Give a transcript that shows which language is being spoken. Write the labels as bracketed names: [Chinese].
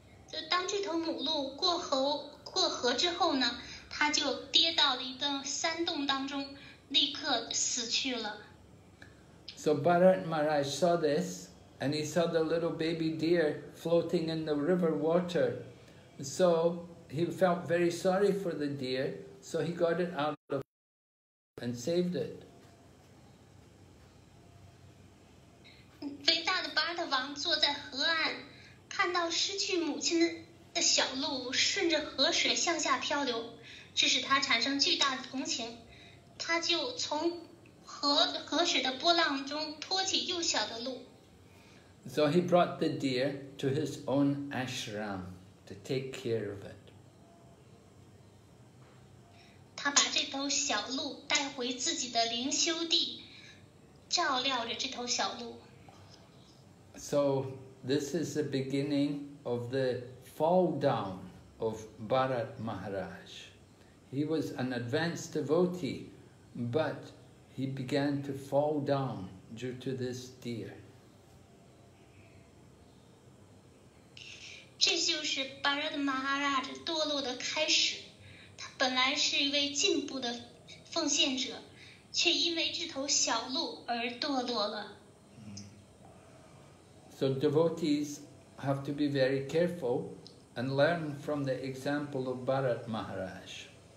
[Chinese] 就当这头母鹿过河之后呢，他就跌到了一个山洞当中，立刻死去了。 [English] So Bharat Maharaj saw this, and he saw the little baby deer floating in the river water. So he felt very sorry for the deer, so he got it out of the water and saved it. [Chinese] 伟大的巴特王坐在河岸，看到失去母亲的小鹿顺着河水向下漂流，这使他产生巨大的同情。他就从河水的波浪中托起幼小的鹿。 [English] So he brought the deer to his own ashram to take care of it. [Chinese] 他把这头小鹿带回自己的灵修地，照料着这头小鹿。 [English] So this is the beginning of the fall down of Bharat Maharaj. He was an advanced devotee, but he began to fall down due to this deer. [Chinese] 这就是 Bharat Maharaj 堕落的开始。他本来是一位进步的奉献者，却因为这头小鹿而堕落了。 [English] So devotees have to be very careful and learn from the example of Bharat Maharaj.